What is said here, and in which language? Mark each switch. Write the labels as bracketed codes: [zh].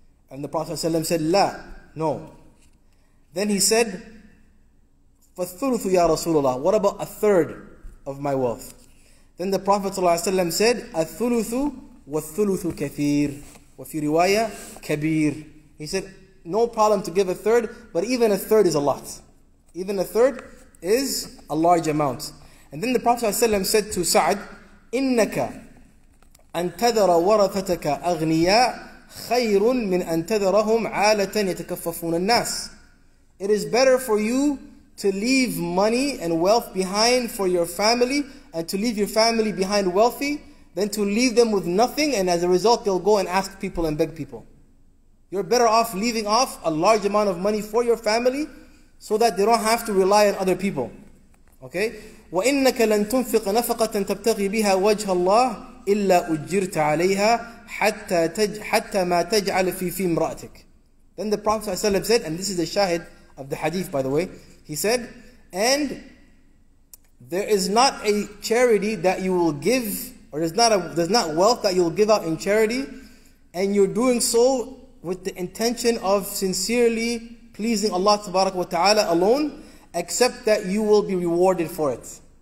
[en] And the Prophet ﷺ said, [ar] لَا, [en] no. Then he said, [ar] فَالثُّلُثُ يَا رَسُولُ اللَّهِ, [en] what about a third of my wealth? Then the Prophet ﷺ said, [ar] الثُّلُثُ وَالثُّلُثُ كَثِيرٌ وَفِي رِوَايَةٍ كَبِيرٌ. [en] He said, no problem to give a third, but even a third is a lot. Even a third is a large amount. And then the Prophet ﷺ said to Sa'd, [ar] إِنَّكَ أن تذر ورثتك أغنياء خير من أن تذرهم عالة يتكففون الناس. [en] It is better for you to leave money and wealth behind for your family, and to leave your family behind wealthy, than to leave them with nothing, and as a result they'll go and ask people and beg people. You're better off leaving off a large amount of money for your family so that they don't have to rely on other people. Okay? [ar] وإنك لن تنفق نفقة تبتغي بها وجه الله إلا أجرت عليها حتى ما تجعل في امرأتك. [en] Then the Prophet ﷺ said, and this is the shahid of the hadith, by the way, he said, and there is not a charity that you will give, or there's not wealth that you'll give out in charity, and you're doing so with the intention of sincerely pleasing Allah subhanahu wa ta'ala alone, except that you will be rewarded for it.